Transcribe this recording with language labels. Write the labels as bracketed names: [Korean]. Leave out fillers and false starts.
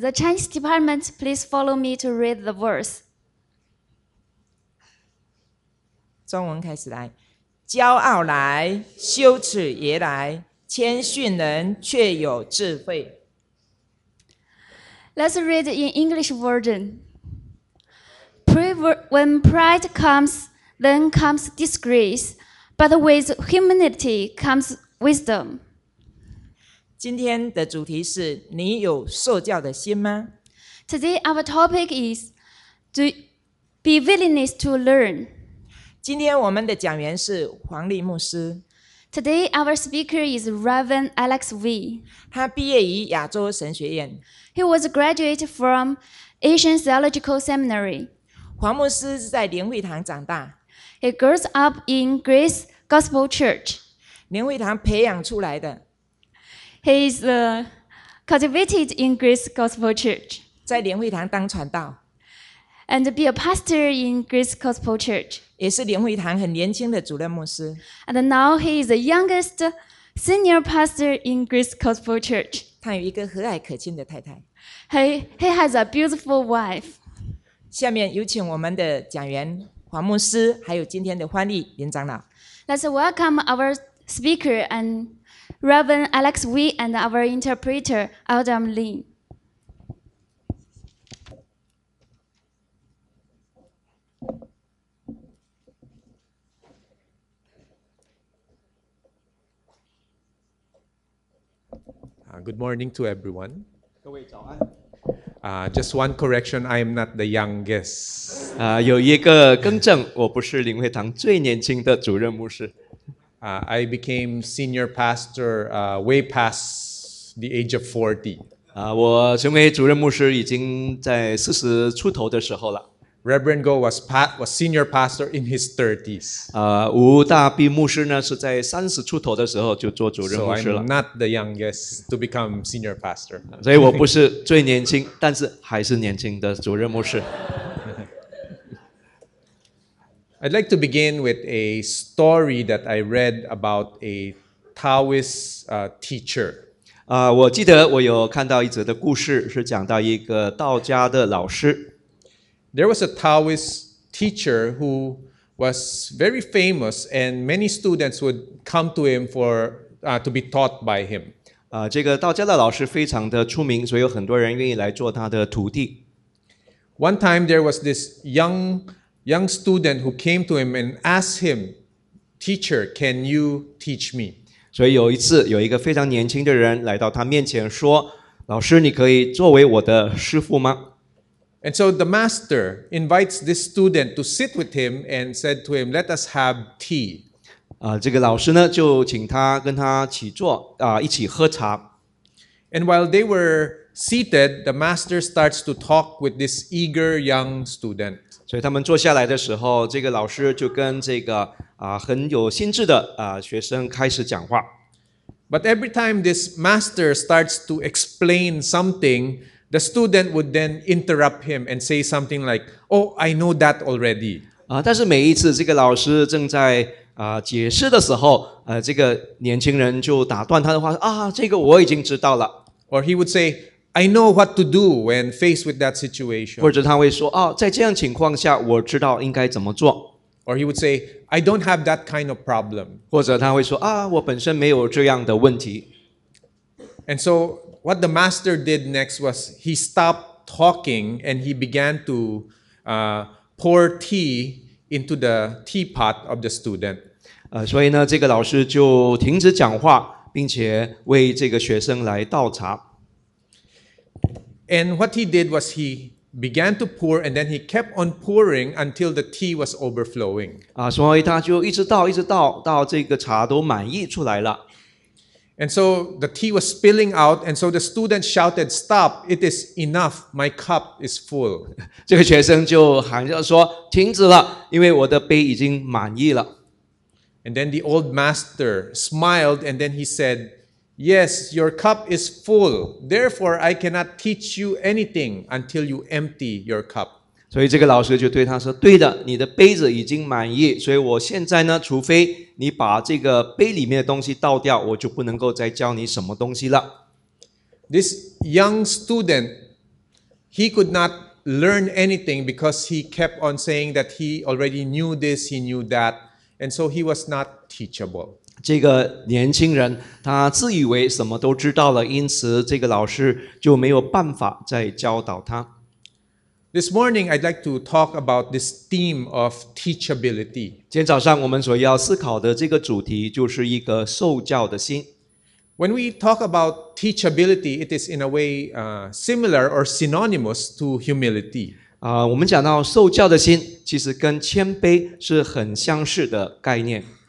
[English] The Chinese department, please follow me to read the verse。 [Chinese] 中文开始来。骄傲来，羞耻也来，谦逊人却有智慧。 [English] Let's read in English version。 When pride comes, then comes disgrace, but with humility comes wisdom. [Chinese] 今天的主题是你有受教的心吗？ [English] Today our topic is to be willingness to learn. [Chinese] 今天我们的讲员是黄丽牧师。 [English] Today our speaker is Reverend Alex V. [Chinese] 他毕业于亚洲神学院。 [English] He was graduated from Asian Theological Seminary. [Chinese] 黄牧师是在灵会堂长大。 [English] He grows up in Grace Gospel Church. [Chinese] 灵会堂培养出来的。 [English] He is cultivated in Grace Gospel Church. [Chinese] 在灵会堂当传道。 [English] And be a pastor in Grace Gospel Church. [Chinese] 也是灵会堂很年轻的主任牧师。 [English] And now he is the youngest senior pastor in Grace Gospel Church. [Chinese] 他有一个和蔼可亲的太太。 [English] He has a beautiful wife. [Chinese] 下面有请我们的讲员黄牧师，还有今天的欢丽林长老。 [English] Let's welcome our speaker and Reverend Alex Wee and our interpreter Adam Lin. 啊 ，Good morning to everyone. [Chinese] 各位早安。 [English] Just one correction, I am not the youngest. [Chinese] 有一个更正，我不是灵会堂最年轻的主任牧师。 [English] I became senior pastor way past the age of 40. [Chinese] 我成为主任牧师已经在四十出头的时候了。 [English] Reverend Goh was senior pastor in his 30s. [Chinese] 吴大毕牧师呢是在三十出头的时候就做主任牧师了。 [English] So I'm not the youngest to become senior pastor. [Chinese] 所以我不是最年轻，但是还是年轻的主任牧师。 [English] I'd like to begin with a story that I read about a Taoist teacher. [Chinese] 我记得我有看到一则的故事，是讲到一个道家的老师。 [English] There was a Taoist teacher who was very famous, and many students would come to him for to be taught by him. [Chinese] 这个道家的老师非常的出名，所以有很多人愿意来做他的徒弟。 [English] One time, there was this young student who came to him and asked him, "Teacher, can you teach me?" [Chinese] 所以有一次，有一个非常年轻的人来到他面前说：“老师，你可以作为我的师父吗？” [English] And so the master invites this student to sit with him and said to him, "Let us have tea." [Chinese] 这个老师呢就请他跟他起坐一起喝茶。 [English] And while they were seated, the master starts to talk with this eager young student. [Chinese] 所以他们坐下来的时候，这个老师就跟这个很有心智的学生开始讲话。 [English] But every time this master starts to explain something, the student would then interrupt him and say something like, "Oh, I know that already." [Chinese] 但是每一次这个老师正在解释的时候，这个年轻人就打断他的话，这个我已经知道了。 [English] Or he would say, "I know what to do when faced with that situation." [Chinese] 或者他会说，在这样情况下，我知道应该怎么做。 [English] Or he would say, "I don't have that kind of problem." [Chinese] 或者他会说，我本身没有这样的问题。 [English] And so what the master did next was he stopped talking and he began to pour tea into the teapot of the student. [Chinese] 所以呢，这个老师就停止讲话，并且为这个学生来倒茶。 [English] And what he did was he began to pour, and then he kept on pouring until the tea was overflowing. [Chinese] 所以他就一直倒，到这个茶都满溢出来了。 [English] And so the tea was spilling out, and so the student shouted, "Stop! It is enough. My cup is full." [Chinese] 这个学生就喊着说，停止了，因为我的杯已经满溢了。 [English] And then the old master smiled, and then he said,"Yes, your cup is full. Therefore, I cannot teach you anything until you empty your cup." [Chinese] 所以这个老师就对他说，对的，你的杯子已经满溢，所以我现在呢，除非你把这个杯里面的东西倒掉，我就不能够再教你什么东西了。 [English] This young student, he could not learn anything because he kept on saying that he already knew this, he knew that, and so he was not teachable. [Chinese] 这个年轻人他自以为什么都知道了，因此这个老师就没有办法再教导他。 [English] This morning I'd like to talk about this theme of teachability. [Chinese] 今天早上我们所要思考的这个主题就是一个受教的心。 [English] When we talk about teachability, it is in a way similar or synonymous to humility. [Chinese] 我们讲到受教的心，其实跟谦卑是很相似的概念。